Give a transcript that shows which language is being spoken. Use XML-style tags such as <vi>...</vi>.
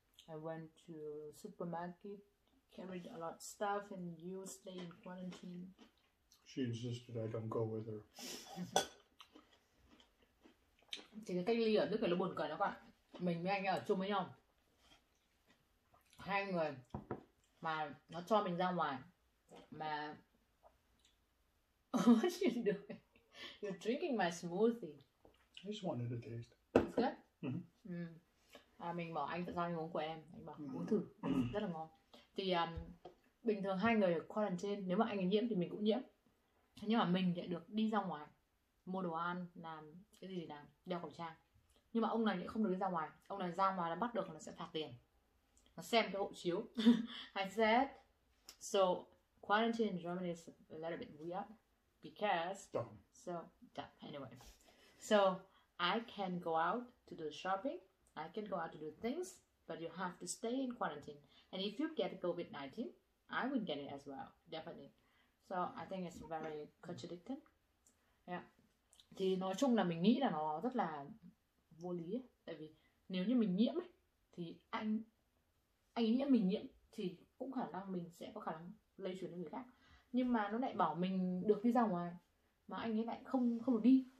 <en>I went to supermarket, carried a lot of stuff, and you stay in quarantine. She insisted I don't go with her.</en> <vi>Thì cái cách ly ở Đức này nó buồn cười lắm các bạn. Mình với anh ở chung với nhau. Hai người mà nó cho mình ra ngoài mà</vi> <en>what you doing? You're drinking my smoothie. I just wanted a taste. It's good. Mm-hmm.</en> <vi>À, mình bảo anh tại sao anh uống của em, anh bảo uống thử rất là ngon. Thì bình thường hai người ở quarantine, nếu mà anh nhiễm thì mình cũng nhiễm, nhưng mà mình lại được đi ra ngoài mua đồ ăn, làm cái gì làm, đeo khẩu trang. Nhưng mà ông này lại không được đi ra ngoài. Ông này ra ngoài là bắt được là sẽ phạt tiền. Nó xem cái hộ chiếu.</vi> <en>I said, so quarantine in Germany is a little bit weird because so anyway, so I can go out to do shopping, I can go out to do things, but you have to stay in quarantine. And if you get COVID-19, I will get it as well, definitely. So I think it's very contradicting. Yeah.</en> <vi>Thì nói chung là mình nghĩ là nó rất là vô lý ấy. Tại vì nếu như mình nhiễm ấy, thì anh nhiễm mình nhiễm thì cũng khả năng mình sẽ có khả năng lây truyền cho người khác. Nhưng mà nó lại bảo mình được đi ra ngoài mà anh ấy lại không được đi.</vi>